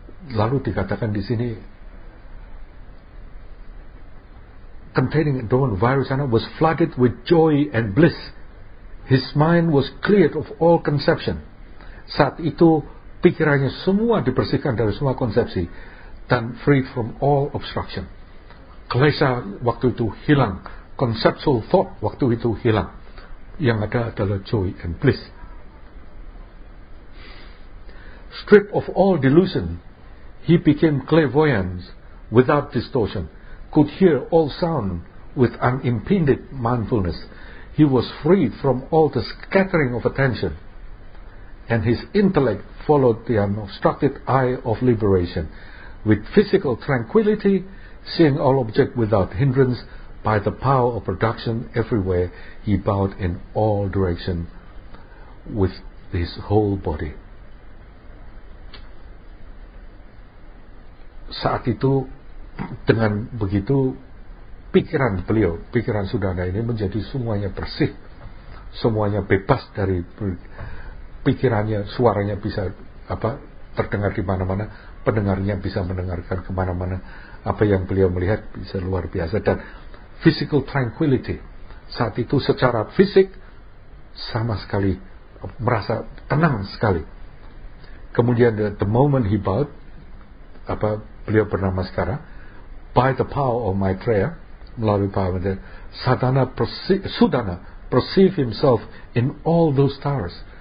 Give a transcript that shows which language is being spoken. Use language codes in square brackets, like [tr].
[id] Lalu dikatakan di sini, [en] containing the dormant Virasana was flooded with joy and bliss. His mind was cleared of all conception. [id] Saat itu pikirannya semua dibersihkan dari semua konsepsi dan [en] free from all obstruction. [id] Klesa waktu itu hilang, [en] conceptual thought [id] waktu itu hilang. Yang ada adalah [en] joy and bliss. Stripped of all delusion, he became clairvoyant without distortion, could hear all sound with unimpeded mindfulness. He was freed from all the scattering of attention, and his intellect followed the unobstructed eye of liberation, with physical tranquility, seeing all objects without hindrance, by the power of production everywhere, he bowed in all directions with his whole body. [id] Saat itu, dengan begitu, pikiran beliau, pikiran Sudana ini menjadi semuanya bersih, semuanya bebas dari pikirannya, suaranya bisa apa terdengar di mana-mana, pendengarnya bisa mendengarkan kemana-mana, apa yang beliau melihat bisa luar biasa, dan [en] physical tranquility [id] saat itu secara fisik sama sekali merasa tenang sekali. Kemudian [en] the moment he bowed, [id] apa beliau bernamaskara, [en] by the power of Maitreya, [id] melalui pahamannya, [en] Sudana perceive himself in all those stars.